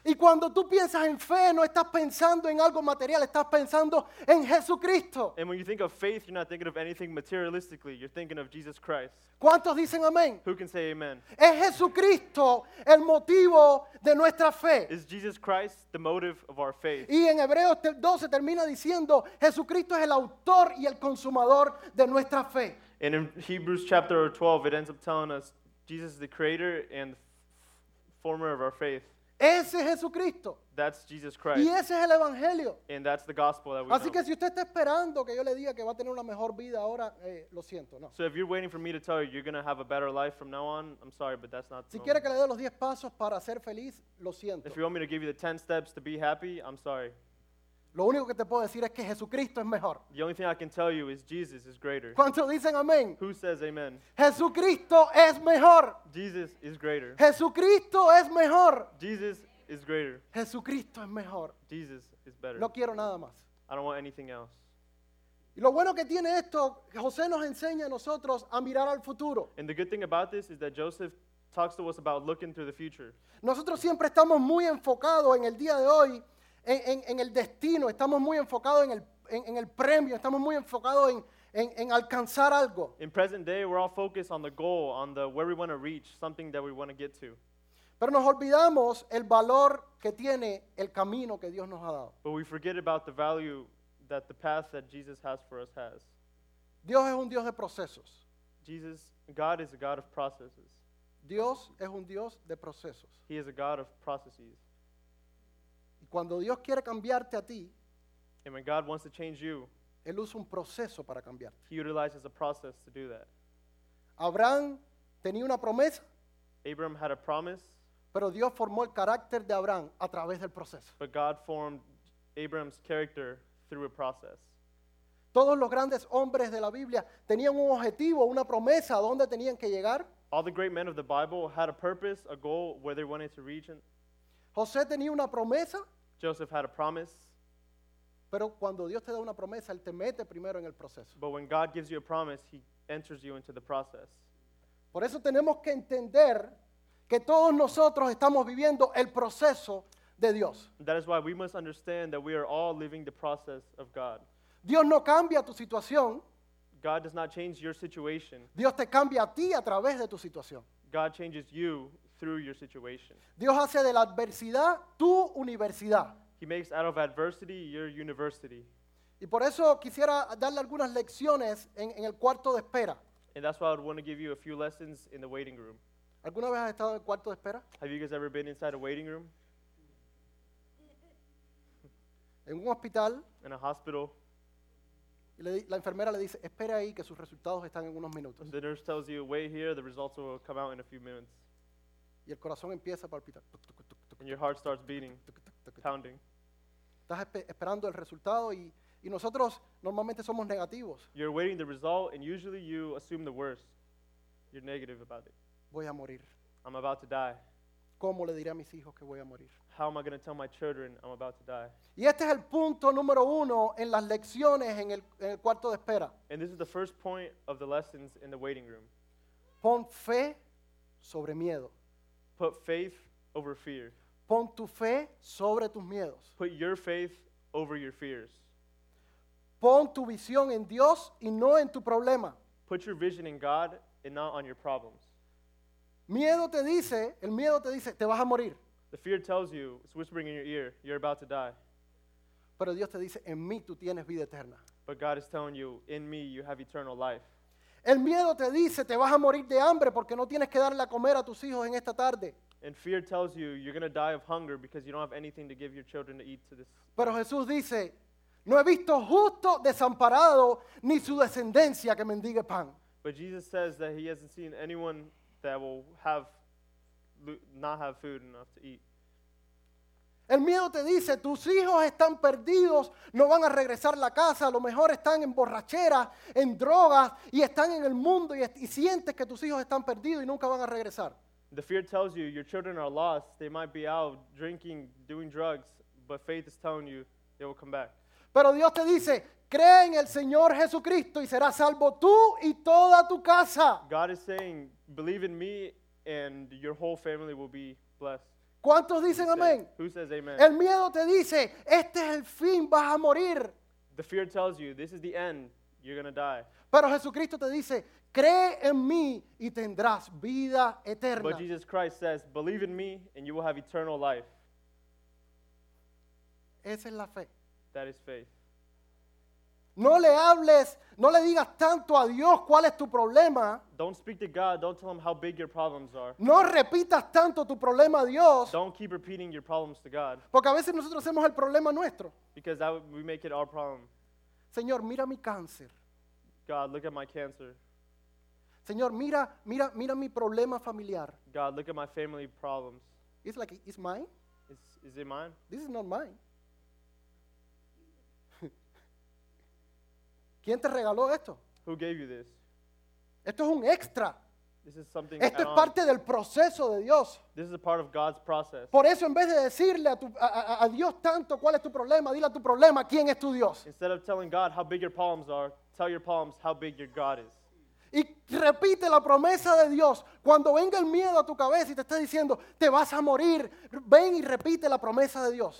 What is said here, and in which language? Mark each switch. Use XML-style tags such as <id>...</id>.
<es>Y cuando tú piensas en fe, no estás pensando en algo material, estás pensando en Jesucristo.</es> <en>And when you think of faith, you're not thinking of anything materialistically, you're thinking of Jesus Christ.</en> <es>¿Cuántos dicen amén?</es> <en>Who can say amen?</en> <es>Es Jesucristo el motivo de nuestra fe.</es> <en>Is Jesus Christ the motive of our faith?</en> <es>Y en Hebreos 12 termina diciendo, Jesucristo es el autor y el consumador de nuestra fe.</es> <en>And in Hebrews chapter 12, it ends up telling us, Jesus is the creator and former of our faith.</en> <es>Ese es Jesucristo.</es> <en>That's Jesus Christ.</en> <es>Y ese es el Evangelio.</es> <en>And that's the gospel that we</en> <es>Así</es> <en>know.</en> <es>Así que si usted está esperando que yo le diga que va a tener una mejor vida ahora, lo siento, no.</es> <en>So if you're waiting for me to tell you you're going to have a better life from now on, I'm sorry, but that's not</en> <es>Si</es> <en>normal.</en> <es>Quiere que le dé los 10 pasos para ser feliz, lo siento.</es> <en>If you want me to give you the 10 steps to be happy, I'm sorry.</en> <es>Lo único que te puedo decir es que Jesucristo es mejor.</es> <en>The only thing I can tell you is Jesus is greater.</en> <es>¿Cuántos dicen amén?</es> <en>Who says amen?</en> <es>Jesucristo es mejor.</es> <en>Jesus is greater.</en> <es>Jesucristo es mejor.</es> <en>Jesus is greater.</en> <es>Jesucristo es mejor.</es> <en>Jesus is better.</en> <es>No quiero nada más.</es> <en>I don't want anything else.</en> <es>Y lo bueno que tiene esto, José nos enseña a nosotros a mirar al futuro.</es> <en>And the good thing about this is that Joseph talks to us about looking through the future.</en> <es>Nosotros siempre estamos muy enfocados en el día de hoy. En el destino, estamos muy enfocados en el premio, estamos muy enfocados en alcanzar algo.</es> <en>In present day, we're all focused on the goal, on the where we want to reach, something that we want to get to.</en> <es>Pero nos olvidamos el valor que tiene el camino que Dios nos ha dado.</es> <en>But we forget about the value that the path that Jesus has for us has.</en> <es>Dios es un Dios de procesos.</es> <en>Jesus, God is a God of processes.</en> <es>Dios es un Dios de procesos.</es> <en>He is a God of processes.</en> <es>Cuando Dios quiere cambiarte a ti,</es> <en>and when God wants to change you,</en> <es>Él usa un proceso para cambiarte.</es> <en>He utilizes a process to do that.</en> <es>Abraham tenía una promesa.</es> <en>Abraham had a promise.</en> <es>Pero Dios formó el carácter de Abraham a través del proceso.</es> <en>But God formed Abraham's character through a process.</en> <es>Todos los grandes hombres de la Biblia tenían un objetivo, una promesa, a dónde tenían que llegar.</es> <en>All the great men of the Bible had a purpose, a goal, where they wanted to reach.</en> <es>José tenía una promesa.</es> <en>Joseph had a promise.</en> <es>Pero cuando Dios te da una promesa, Él te mete primero en el proceso.</es> <en>But when God gives you a promise, He enters you into the process.</en> <es>Por eso tenemos que entender que todos nosotros estamos viviendo el proceso de Dios.</es> <en>That is why we must understand that we are all living the process of God.</en> <es>Dios no cambia tu situación.</es> <en>God does not change your situation.</en> <es>Dios te cambia a ti a través de tu situación.</es> <en>God changes you through your situation.</en> <es>Dios hace de la adversidad tu universidad.</es> <en>He makes out of adversity your university.</en> <es>Y por eso quisiera darle algunas lecciones en el cuarto de espera.</es> <en>And that's why I would want to give you a few lessons in the waiting room.</en> <es>¿Alguna vez has estado en el cuarto de espera?</es> <en>Have you guys ever been inside a waiting room?</en> <es>En un hospital.</es> <en>In a hospital.</en> <es>Y la enfermera le dice, espera ahí que sus resultados están en unos minutos.</es> <en>The nurse tells you, wait here, the results will come out in a few minutes.</en> <es>Y el corazón empieza a palpitar.</es> <en>And your heart starts beating, pounding.</en> <es>Estás esperando el resultado y nosotros normalmente somos negativos.</es> <en>You're waiting the result and usually you assume the worst. You're negative about it.</en> <es>Voy a morir.</es> <en>I'm about to die.</en> <es>¿Cómo le diré a mis hijos que voy a morir?</es> <en>How am I going to tell my children I'm about to die?</en> <es>Y este es el punto número uno en las lecciones en el cuarto de espera.</es> <en>And this is the first point of the lessons in the waiting room.</en> <es>Pon fe sobre miedo.</es> <en>Put faith over fear.</en> <es>Pon tu fe sobre tus miedos.</es> <en>Put your faith over your fears.</en> <es>Pon tu visión en Dios y no en tu problema.</es> <en>Put your vision in God and not on your problems.</en> <es>El miedo te dice, te vas a morir.</es> <en>The fear tells you, it's whispering in your ear, you're about to die.</en> <es>Pero Dios te dice, en mí tú tienes vida eterna.</es> <en>But God is telling you, in me you have eternal life.</en> <es>El miedo te dice, te vas a morir de hambre porque no tienes que darle a comer a tus hijos en esta tarde.</es> <en>And fear tells you, you're going to die of hunger because you don't have anything to give your children to eat to this.</en> <es>Pero Jesús dice, no he visto justo desamparado ni su descendencia que mendigue pan.</es> <en>But Jesus says that he hasn't seen anyone that will have not have food enough to eat.</en> <es>El miedo te dice, tus hijos están perdidos, no van a regresar a la casa, a lo mejor están en borracheras, en drogas, y están en el mundo, y sientes que tus hijos están perdidos y nunca van a regresar.</es> <en>The fear tells you, your children are lost, they might be out drinking, doing drugs, but faith is telling you, they will come back.</en> <es>Pero Dios te dice, cree en el Señor Jesucristo y serás salvo tú y toda tu casa.</es> <en>God is saying, believe in me and your whole family will be blessed.</en> <es>¿Cuántos dicen amén?</es> <en>Who says amen?</en> <es>El miedo te dice, este es el fin, vas a morir.</es> <en>The fear tells you, this is the end, you're going to die.</en> <es>Pero Jesucristo te dice, cree en mí y tendrás vida eterna.</es> <en>But Jesus Christ says, believe in me and you will have eternal life.</en> <es>Esa es la fe.</es> <en>That is faith.</en> <es>No le hables, no le digas tanto a Dios cuál es tu problema.</es> <en>Don't speak to God, don't tell him how big your problems are.</en> <es>No repitas tanto tu problema a Dios.</es> <en>Don't keep repeating your problems to God.</en> <es>Porque a veces nosotros hacemos el problema nuestro.</es> <en>Because that we make it our problem.</en> <es>Señor, mira mi cáncer.</es> <en>God, look at my cancer.</en> <es>Señor, mira mi problema familiar.</es> <en>God, look at my family problems. It's like, it's mine? Is it mine? This is not mine.</en> <es>¿Quién te regaló esto?</es> <en>Who gave you this?</en> <es>Esto es un extra.</es> <en>This is something</en> <es>esto es parte del proceso de Dios.</es> <en>This is a part of God's process.</en> <es>Por eso en vez de decirle a Dios tanto cuál es tu problema, dile a tu problema quién es tu Dios.</es> <en>Instead of telling God how big your problems are, tell your problems how big your God is.</en> <es>Y repite la promesa de Dios cuando venga el miedo a tu cabeza y te esté diciendo te vas a morir. Ven y repite la promesa de Dios.</es>